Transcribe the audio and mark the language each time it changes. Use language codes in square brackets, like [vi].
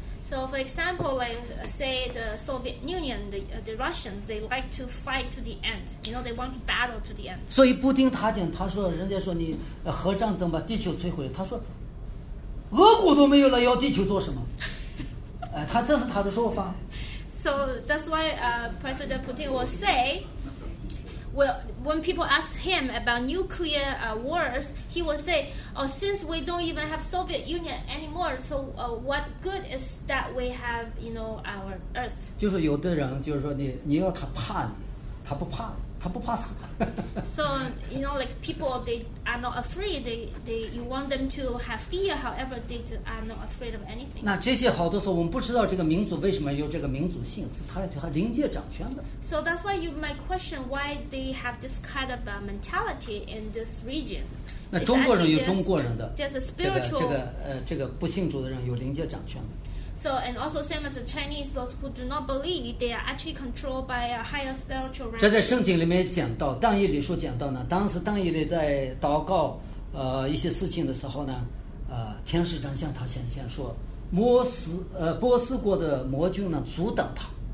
[en] So for example, like say the Soviet Union, the Russians, they like to fight to the end. You know, they want to battle to the end. [zh] 所以布丁他讲，他说人家说你核战争把地球摧毁，他说俄国都没有了，要地球做什么？哎，他这是他的说法。 [en] So that's why President Putin will say. Well, when people ask him about nuclear wars, he will say, "Oh, since we don't even have Soviet Union anymore, so what good is that we have, you know, our Earth?" [zh] 就是有的人就是说你要他怕你，他不怕死。 [en] So you know, like people, they are not afraid. They you want them to have fear. However, they are not afraid of anything. [zh] 那这些好多时候我们不知道这个民族为什么有这个民族性，是他灵界掌权的。 [en] So that's why you might question why they have this kind of a mentality in this region. [zh] 那中国人有中国人的 [en] there's a spiritual [zh] 这个不信主的人有灵界掌权的。 [en] So and also same as the Chinese, those who do not believe, they are actually controlled by a higher spiritual realm. [zh] 这在圣经里面讲到，但以理书讲到呢，当时但以理在祷告，一些事情的时候呢，天使长向他显现说，波斯国的魔君呢阻挡他。